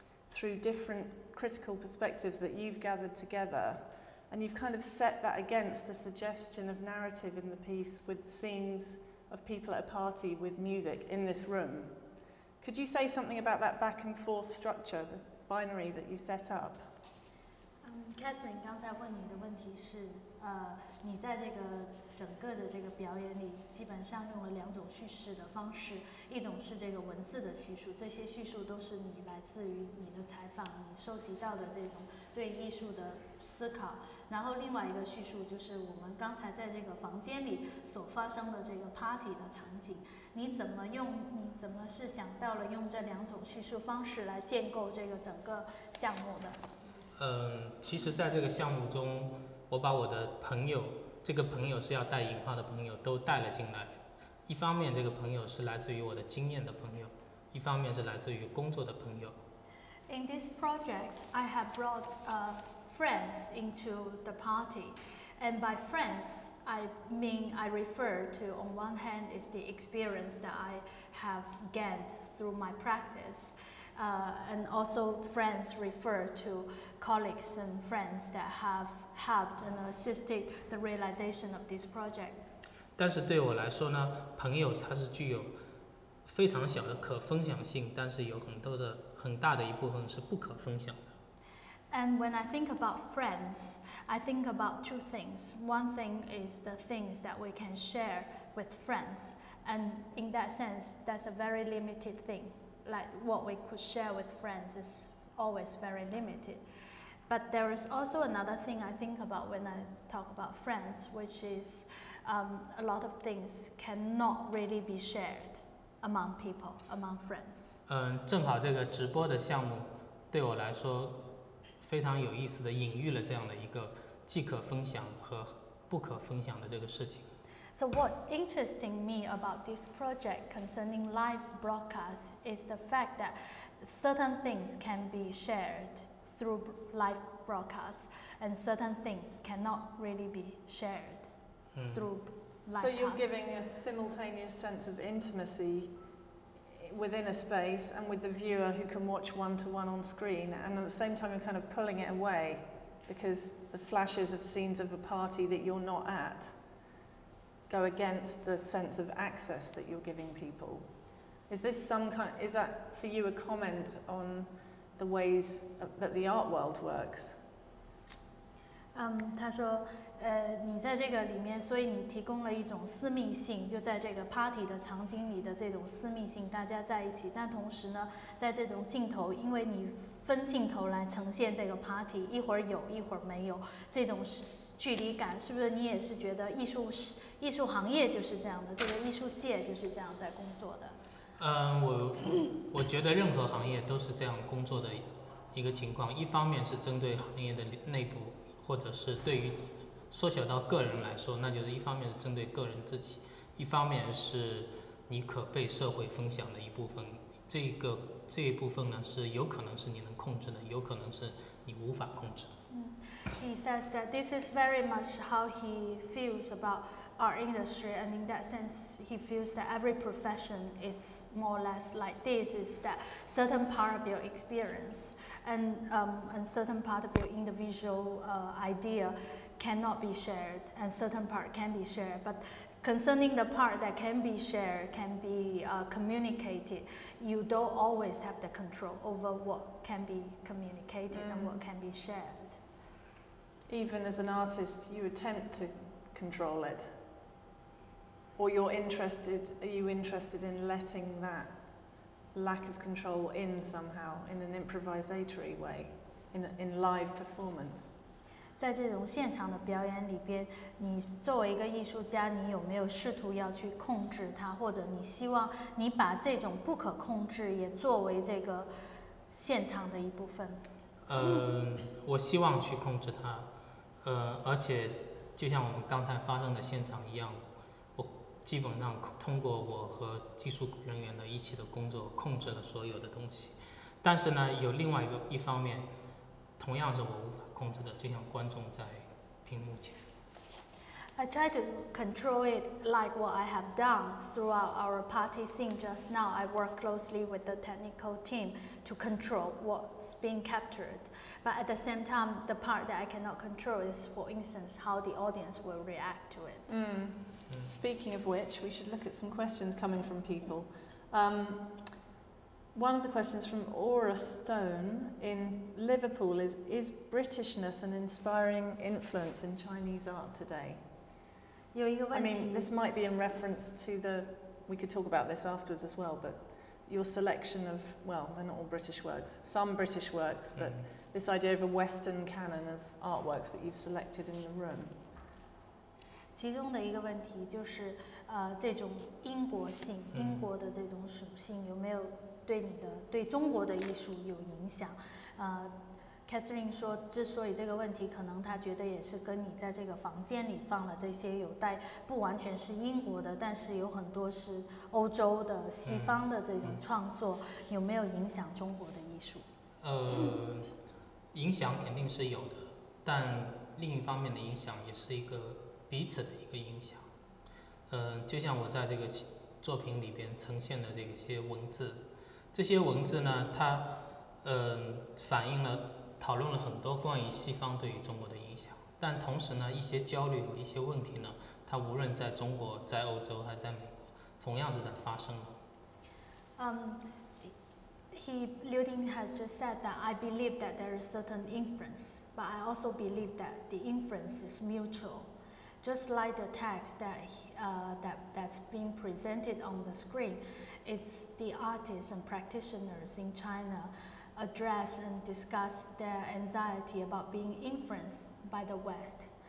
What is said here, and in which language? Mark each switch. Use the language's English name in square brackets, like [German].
[English] through different critical perspectives that you've gathered together, and you've kind of set that against a suggestion of narrative in the piece with scenes of people at a party with music in this room. Could you say something about that back and forth structure, the binary that you set up? [Chinese] Catherine 刚才问你的问题是，你在这个整个的这个表演里，基本上用了两种叙事的方式，一种是这个文字的叙述，这些叙述都是你来自于你的采访，你收集到的这种对艺术的思考，然后另外一个叙述就是我们刚才在这个房间里所发生的这个 party 的场景，你怎么是想到了用这两种叙述方式来建构这个整个项目的？其实在这个项目中，我把我的朋友，这个朋友是要带引号的朋友，都带了进来。一方面这个朋友是来自于我的经验的朋友，一方面是来自于工作的朋友。 [English] In this project, I have brought friends into the party. And by friends, I refer to, on one hand, is the experience that I have gained through my practice. And also friends refer to colleagues and friends that have helped and assisted the realization of this project. [Chinese] 但是对我来说呢，朋友他是具有非常小的可分享性，但是有很大的一部分是不可分享的。 [English] And when I think about friends, I think about two things. One thing is the things that we can share with friends. And in that sense, that's a very limited thing. Like what we could share with friends is always very limited. But there is also another thing I think about when I talk about friends, which is a lot of things cannot really be shared among people, among friends. [Chinese] 正好这个直播的项目对我来说非常有意思的隐喻了这样的一个既可分享和不可分享的这个事情。 [English] So what interesting me about this project concerning live broadcast is the fact that certain things can be shared through live broadcast and certain things cannot really be shared through live So you're giving a simultaneous sense of intimacy within a space and with the viewer who can watch one-to-one on screen, and at the same time you're kind of pulling it away because the flashes of scenes of a party that you're not at. Go against the sense of access that you're giving people. Is that for you a comment on the ways that the art world works? [Chinese] 他说，你在这个里面，所以你提供了一种私密性，就在这个 party 的场景里的这种私密性，大家在一起。但同时呢，在这种镜头，因为你分镜头来呈现这个 party， 一会儿有，一会儿没有，这种距离感，是不是你也是觉得艺术行业就是这样的，这个艺术界就是这样在工作的。我觉得任何行业都是这样工作的一个情况。一方面是针对行业的内部，或者是对于缩小到个人来说，那就是一方面是针对个人自己，一方面是你可被社会分享的一部分。这一部分呢，是有可能是你能控制的，有可能是你无法控制。 [English] He says that this is very much how he feels about. Our industry, and in that sense, he feels that every profession is more or less like this, is that certain part of your experience and certain part of your individual idea cannot be shared, and certain part can be shared. But concerning the part that can be shared, can be communicated, you don't always have the control over what can be communicated and what can be shared. Even as an artist, you attempt to control it. Or are you interested in letting that lack of control in somehow, in an improvisatory way, in live performance? [Chinese] 在这种现场的表演里边，你作为一个艺术家，你有没有试图要去控制它，或者你希望你把这种不可控制也作为这个现场的一部分？我希望去控制它，而且就像我们刚才发生的现场一样。基本上通过我和技术人员的一起的工作控制了所有的东西，但是呢，有另外一方面，同样是我无法控制的，就像观众在屏幕前。 [English] I try to control it like what I have done throughout our party scene just now. I work closely with the technical team to control what's being captured. But at the same time, the part that I cannot control is, for instance, how the audience will react to it. Mm. Speaking of which, we should look at some questions coming from people. One of the questions from Aura Stone in Liverpool is Britishness an inspiring influence in Chinese art today? I mean, this might be in reference to the, we could talk about this afterwards as well, but your selection of, well, they're not all British works, some British works, but this idea of a Western canon of artworks that you've selected in the room. [Chinese] 其中的一个问题就是这种英国性英国的这种属性有没有对你的对中国的艺术有影响Catherine 说之所以这个问题可能他觉得也是跟你在这个房间里放了这些有带不完全是英国的但是有很多是欧洲的西方的这种创作有没有影响中国的艺术影响肯定是有的但另一方面的影响也是一个彼此的一个影响就像我在这个作品里边呈现的这些文字这些文字呢它反映了讨论了很多关于西方对于中国的影响但同时呢一些焦虑和一些问题呢它无论在中国在欧洲还在美国同样是在发生的 [English] Liu Ding has just said that I believe that there is certain inference but I also believe that the inference is mutualJust like the text that's being presented on the screen, it's the artists and practitioners in China address and discuss their anxiety about being influenced by the West.